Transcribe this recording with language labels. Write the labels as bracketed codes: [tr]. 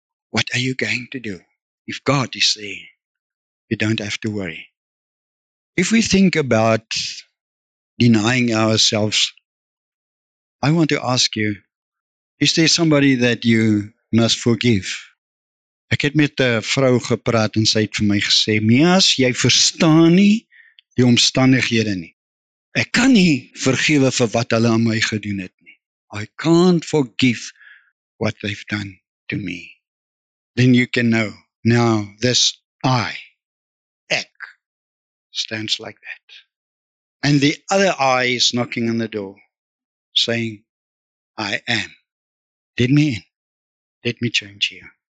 [en] What are you going to do if God is there? You don't have to worry. If we think about denying ourselves, I want to ask you, is there somebody that you must forgive? [af] Ek het met 'n vrou gepraat en sy het vir my gesê, Mias, jy verstaan nie die omstandighede nie. Ek kan nie vergewe vir wat hulle aan my gedoen het nie. [en] I can't forgive what they've done to me. Then you can know, now this I, Ek stands like that. And the other eye is knocking on the door, saying, I am. Let me in. Let me change you.